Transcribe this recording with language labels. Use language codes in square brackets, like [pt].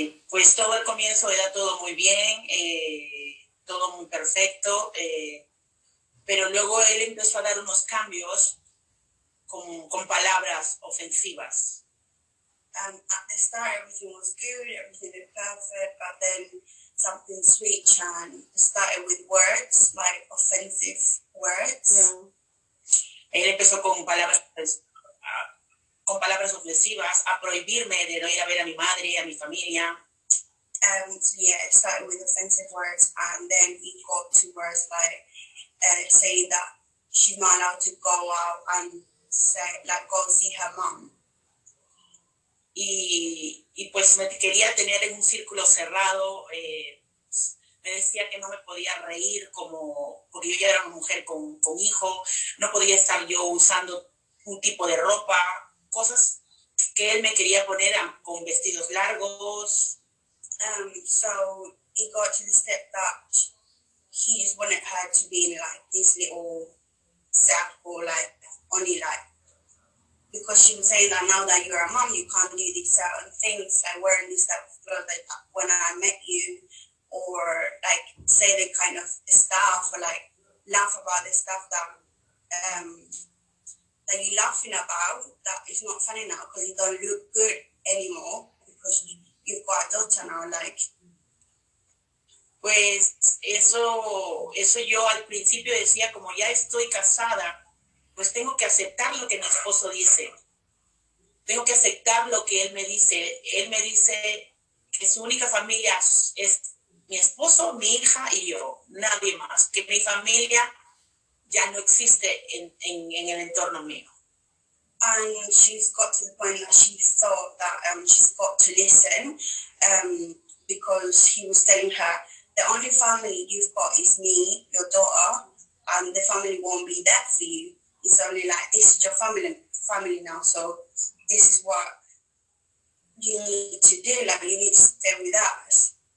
[es] Pues todo el comienzo era todo muy bien, todo muy perfecto, pero luego él empezó a dar unos cambios. Con palabras ofensivas. [en] At the start, everything was good, everything was perfect, but then something switched and started with words, like offensive words. Yeah. [es] Él empezó con palabras ofensivas, a prohibirme de no ir a ver a mi madre, a mi familia. [en] It started with offensive words, and then he got to words like saying that she's not allowed to go out and go see her mom. [es] Y pues me quería tener en un círculo cerrado. Me decía que no me podía reír porque yo ya era una mujer con hijo. No podía estar yo usando un tipo de ropa, cosas que él me quería poner con vestidos largos. [en] So it got to the step that he just wanted her to be in like this little sack or like only like, because she was saying that now that you're a mom, you can't do these certain things like wearing this type of clothes like when I met you, or like say the kind of stuff or like laugh about the stuff that that you're laughing about that is not funny now because you don't look good anymore because you've got a daughter now. Like, [es] pues eso yo al principio decía, como ya estoy casada, pues tengo que aceptar lo que mi esposo dice. Tengo que aceptar lo que él me dice. Él me dice que su única familia es mi esposo, mi hija y yo, nadie más. Que mi familia ya no existe en el entorno mío. [en] And she's got to the point that she thought that she's got to listen because he was telling her, the only family you've got is me, your daughter, and the family won't be there for you. It's only like, this is your family now, so this is what you need to do, like, you need to stay with us.